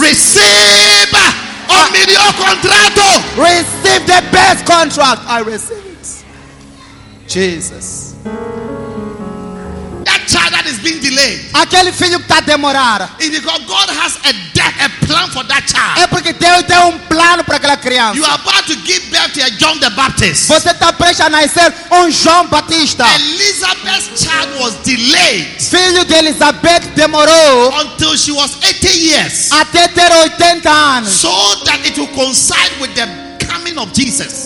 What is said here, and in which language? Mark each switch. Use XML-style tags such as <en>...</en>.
<pt>Receive o melhor contrato.</pt> <en>Receive the best contract. I receive it. Jesus. That child that is being delayed.</en> <pt>Aquele filho que está a demorar.</pt> <en>It's because God has a plan for that child.</en> <pt>É porque Deus tem plano para aquela criança.</pt> <en>You are about to give birth to a John the Baptist.</en> <pt>Você está prestes a nascer João Batista.</pt> <en>Elizabeth's child was delayed.</en> <pt>Filho de Elizabeth demorou.</pt> <en>Until she was 80 years.</en> <pt>Até ter 80 anos.</pt> <en>So that it will coincide with the coming of Jesus.</en>